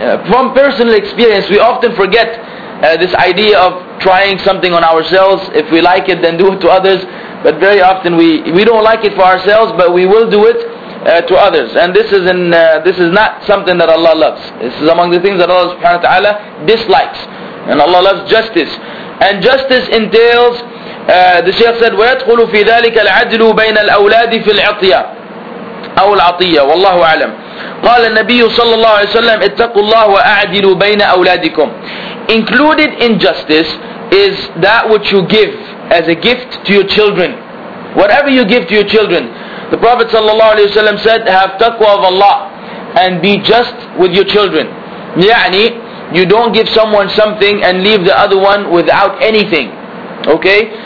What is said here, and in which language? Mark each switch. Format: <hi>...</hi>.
<en>From personal experience, we often forget this idea of trying something on ourselves. If we like it, then do it to others. But very often we don't like it for ourselves, but we will do it to others. And this is not something that Allah loves. This is among the things that Allah subhanahu wa ta'ala dislikes. And Allah loves justice. And justice entails, the Shaykh said,</en> <ar>وَيَدْخُلُ فِي ذَلِكَ الْعَدْلُ بَيْنَ الْأَوْلَادِ فِي الْعَطِيَةِ أو العطية والله أعلم. قال النبي صلى الله عليه وسلم اتقوا الله وأعدلوا بين أولادكم.</ar> <en>Included in justice is that which you give as a gift to your children. Whatever you give to your children, The Prophet ﷺ said, have taqwa of Allah and be just with your children. يعني, you don't give someone something and leave the other one without anything. Okay?</en>